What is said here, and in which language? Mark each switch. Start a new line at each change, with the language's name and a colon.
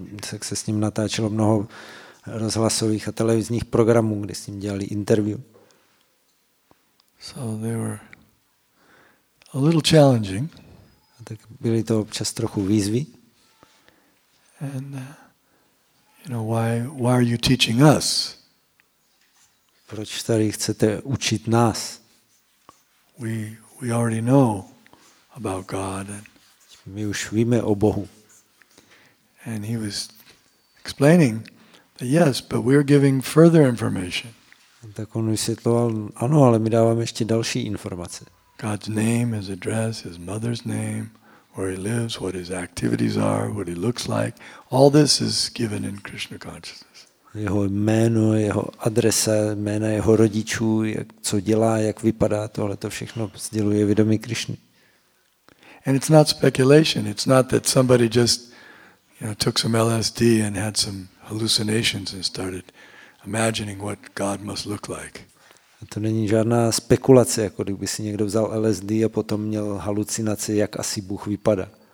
Czech: Tak se s ním natáčelo mnoho rozhlasových a televizních programů, kde s ním dělali interview.
English: So they were a little challenging.
Czech: A tak byly to občas trochu výzvy.
English: And you know, why are you teaching us?
Czech: Proč tady chcete učit nás?
English: We already know about God.
Czech: My už víme o Bohu.
English: And he was explaining that yes, but we are giving further information.
Czech: Tak on vysvětloval, ano, ale my dáváme ještě další informace.
English: God's name, his address, his mother's name, where he lives, what his activities are, what he looks like, all this is given in Krishna consciousness.
Czech: Jeho jméno, jeho adresa, jména jeho rodičů, jak, co dělá, jak vypadá, tohle to všechno sděluje vědomí Krišny.
English: And it's not speculation. It's not that somebody just, you know, took some LSD and had some hallucinations and started imagining what God must look like.
Czech: A to není žádná spekulace, jako kdyby si někdo vzal LSD a potom měl halucinace, jak asi Bůh vypadá.